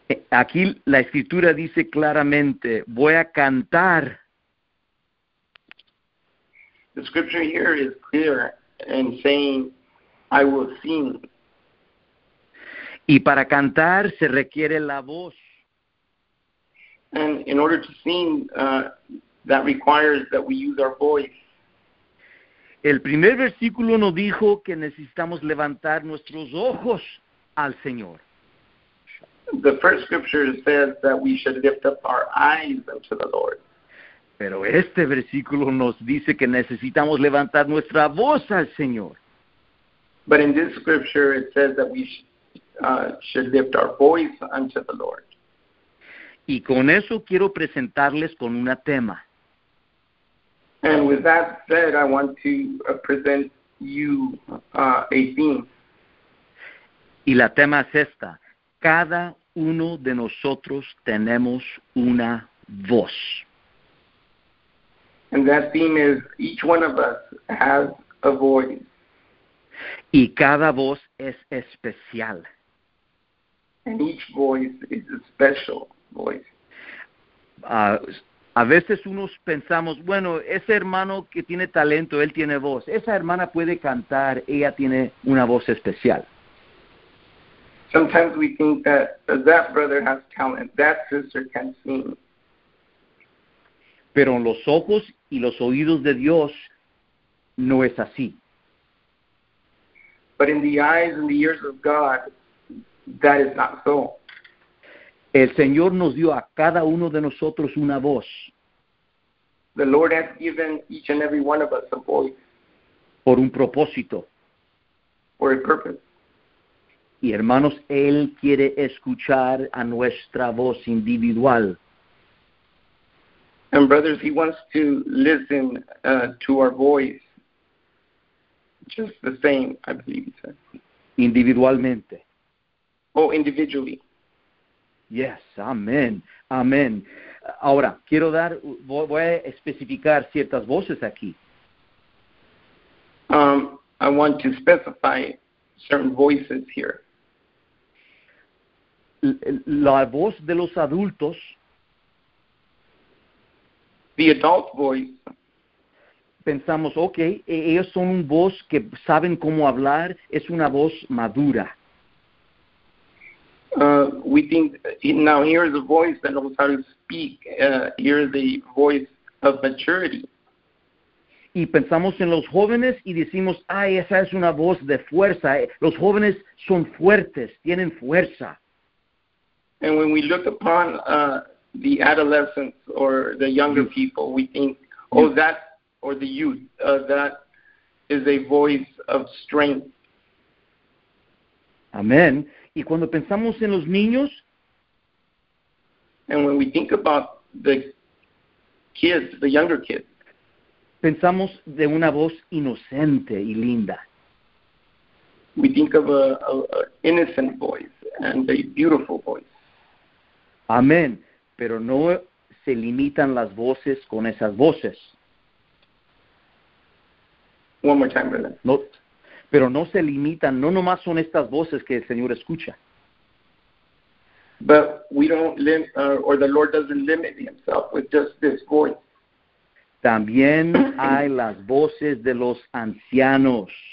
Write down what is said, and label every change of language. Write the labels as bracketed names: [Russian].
[Spanish] Aquí la Escritura dice claramente, voy a cantar. [English] The Scripture here is clear in saying, I will sing. [Spanish] Y para cantar se requiere la voz. [English] And in order to sing, that requires that we use our voice. [Spanish] El primer versículo nos dijo que necesitamos levantar nuestros ojos al Señor. [English] The first scripture says that we should lift up our eyes unto the Lord. [Spanish] Pero este versículo nos dice que necesitamos levantar nuestra voz al Señor. [English] But in this scripture it says that we should lift our voice unto the Lord. [Spanish] Y con eso quiero presentarles con un tema. [English] And with that said, I want to present you a theme. [Spanish] Y la tema es esta. Cada uno de nosotros tenemos una voz. [English] And that theme is each one of us has a voice. [Spanish] Y cada voz es especial. [English] And each voice is a special voice. [Spanish] A veces unos pensamos, bueno, ese hermano que tiene talento, él tiene voz. Esa hermana puede cantar, ella tiene una voz especial. [English] Sometimes we think that brother has talent, that sister can sing. [Spanish] Pero en los ojos y los oídos de Dios, no es así. [English] But in the eyes and the ears of God, that is not so. [Spanish] El Señor nos dio a cada uno de nosotros una voz. [English] The Lord has given each and every one of us a voice. [Spanish] Por un propósito. [English] For a purpose. [Spanish] Y hermanos, Él quiere escuchar a nuestra voz individual. And brothers, He wants to listen to our voice. [English] Just the same, I believe He said. [Spanish] Individualmente. [English] Oh, individually. Yes, amén, amén. [Spanish] Ahora, quiero dar, voy a especificar ciertas voces aquí. [English] I want to specify certain voices here. [Spanish] la voz de los adultos, [English] the adult voice, [Spanish] pensamos, okay, ellos son un voz que saben cómo hablar, es una voz madura. [English] We think, now here is a voice that knows how to speak, here is the voice of maturity. [Spanish] Y pensamos en los jóvenes y decimos, ay, esa es una voz de fuerza. Los jóvenes son fuertes, tienen fuerza. [English] And when we look upon the adolescents or the younger people, we think, oh, that, or the youth, that is a voice of strength. Amen. [Spanish] Y cuando pensamos en los niños, [English] and when we think about the kids, the younger kids, [Spanish] pensamos de una voz inocente y linda. [English] We think of a innocent voice and a beautiful voice. [Spanish] Amén. Pero no se limitan las voces con esas voces. [English] One more time, brother. [Spanish] No, pero no se limitan, no nomás son estas voces que el Señor escucha. [English] But we don't limit, or the Lord doesn't limit himself with just this voice. [Spanish] También hay las voces de los ancianos.